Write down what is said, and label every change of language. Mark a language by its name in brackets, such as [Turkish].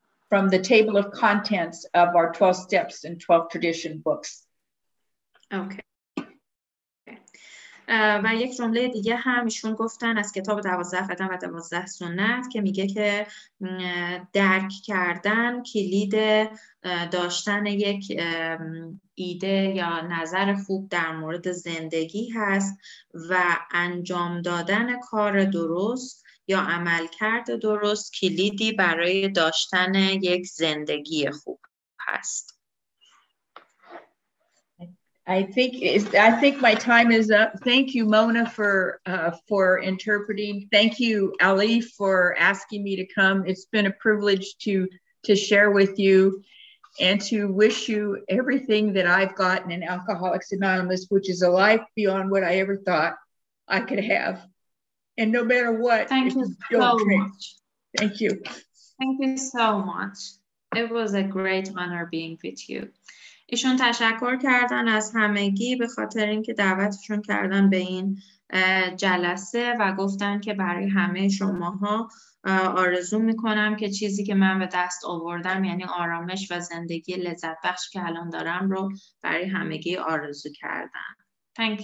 [English] From the table of contents of our 12 steps and 12 tradition books. Okay. [Persian] و یک جمله دیگه هم ایشون گفتن از کتاب 12 قدم و 12 سنت که میگه که درک کردن کلید داشتن یک ایده یا نظر خوب در مورد زندگی هست و انجام دادن کار درست یا عمل کرد درست کلیدی برای داشتن یک زندگی خوب هست. [English] I think my time is up. Thank you, Mona, for interpreting. Thank you, Ali, for asking me to come. It's been a privilege to share with you and to wish you everything that I've gotten in Alcoholics Anonymous, which is a life beyond what I ever thought I could have. And no matter what, thank you so much. Thank you. Thank you so much. It was a great honor being with you. [Persian] ایشون تشکر کردن از همگی به خاطر اینکه دعوتشون کردن به این جلسه و گفتن که برای همه شماها آرزو میکنم که چیزی که من به دست آوردم یعنی آرامش و زندگی لذت بخش که الان دارم رو برای همگی آرزو کردم. [English] Thank you.